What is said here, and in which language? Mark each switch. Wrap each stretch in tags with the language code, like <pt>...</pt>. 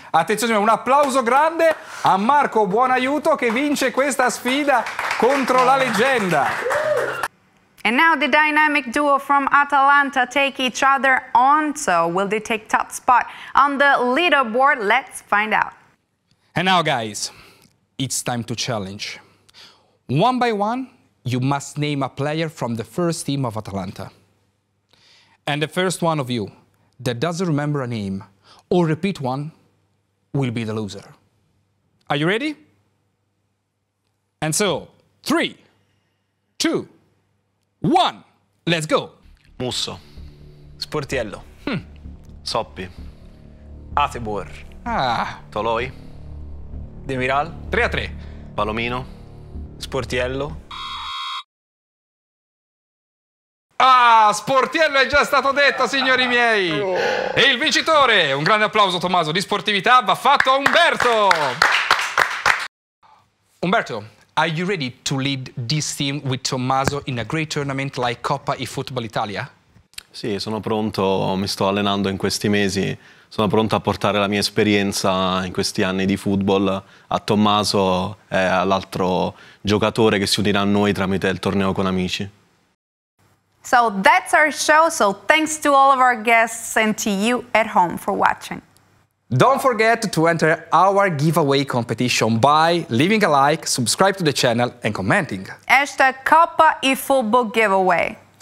<it>Attenzione, un applauso grande a Marco Buonaiuto che vince questa sfida contro la leggenda.</it> <en>And now the dynamic duo from Atalanta take each other on. So will they take top spot on the leaderboard? Let's find out. And now guys, it's time to challenge. One by one, you must name a player from the first team of Atalanta. And the first one of you that doesn't remember a name or repeat one will be the loser. Are you ready? And so, 3, 2, 1, let's go. Musso. Sportiello. Soppi. Atebor. Ah. Toloi. Demiral. 3-3. Palomino. Sportiello.</en> <it>Ah, Sportiello è già stato detto, signori miei! E il vincitore, un grande applauso Tommaso, di sportività va fatto a Umberto!</it> <en>Umberto, are you ready to lead this team with Tommaso in a great tournament like Coppa eFootball Italia?</en> <it>Sì, sono pronto, mi sto allenando in questi mesi, sono pronto a portare la mia esperienza in questi anni di football a Tommaso e all'altro giocatore che si unirà a noi tramite il torneo con amici.</it> <en>So that's our show, so thanks to all of our guests and to you at home for watching. Don't forget to enter our giveaway competition by leaving a like, subscribe to the channel and commenting. Hashtag #CoppaeFootballGiveaway.</en>